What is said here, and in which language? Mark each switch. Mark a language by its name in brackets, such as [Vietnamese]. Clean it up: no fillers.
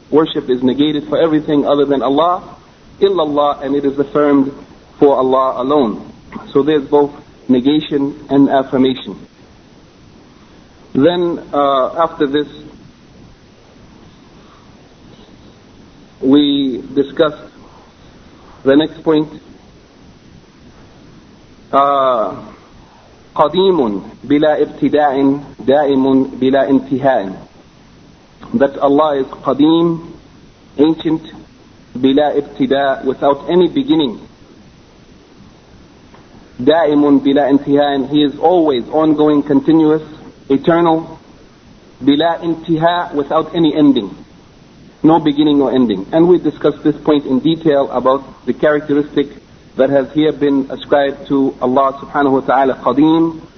[English] Worship is negated for everything other than Allah, illallah, and it is affirmed for Allah alone. So there is both negation and affirmation. Then after this, we discussed the next point. [Arabic] قَدِيمٌ بِلَا ابْتِدَاءٍ دَائِمٌ بِلَا انْتِهَاءٍ, [English] that Allah is [Arabic] قَدِيم, [English] ancient, [Arabic] بِلَا ابْتِدَاءٍ, [English] without any beginning. [Arabic] دَائِمٌ بِلَا انْتِهَاءٍ, [English] he is always ongoing, continuous, eternal. [Arabic] بِلَا انْتِهَاءٍ, [English] without any ending. No beginning or ending. And we discussed this point in detail about the characteristic that has here been ascribed to Allah subhanahu wa ta'ala, Qadeem.